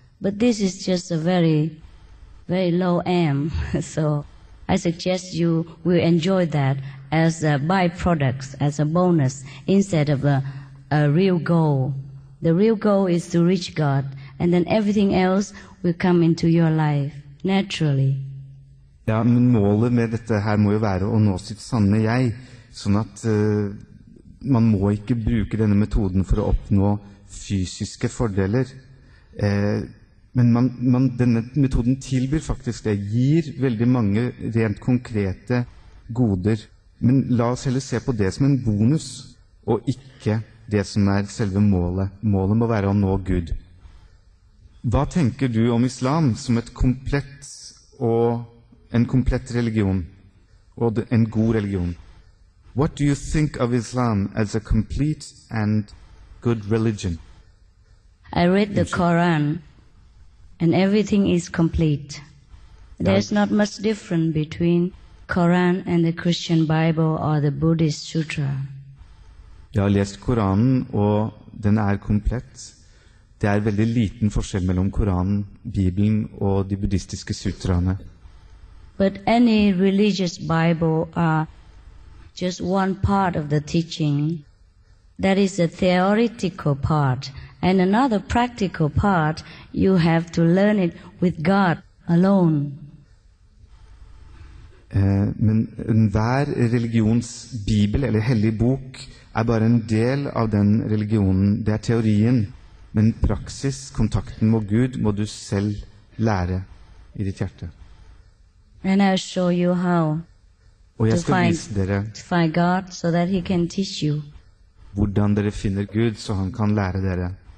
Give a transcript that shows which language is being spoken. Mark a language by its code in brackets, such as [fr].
[en] But this is just a very, very low aim. So I suggest you will enjoy that as a byproduct, as a bonus, instead of a real goal. The real goal is to reach God, and then everything else will come into your life naturally. [no] Ja, men målet med dette her må jo være å nå sitt sanne jeg, sånn at man må ikke bruke denne metoden for å oppnå fysiske fordeler. Men man denne metoden tilbyr faktisk det, gir veldig mange rent konkrete goder. Men la oss heller se på det som en bonus, og ikke det som er selve målet. Målet må være å nå Gud. Hva tenker du om islam som et komplett og en komplett religion og en god religion? [en] What do you think of Islam as a complete and good religion? I read the Quran and everything is complete. There's not much difference between Quran and the Christian Bible or the Buddhist Sutra. [no] Jeg har lest Koranen, og den er komplett. Det er veldig liten forskjell mellom Koranen, Bibelen og de buddhistiske sutraene. [en] But any religious Bible are just one part of the teaching. That is a theoretical part. And another practical part, you have to learn it with God alone. [no] Men enhver religions bibel eller hellig bok bare en del av den religionen. Det teorien, men praksis, kontakten med Gud, må du selv lære I ditt hjerte. [en] And I'll show you how to find God so that he can teach you. [no] Hvordan dere finner Gud så han kan lære dere.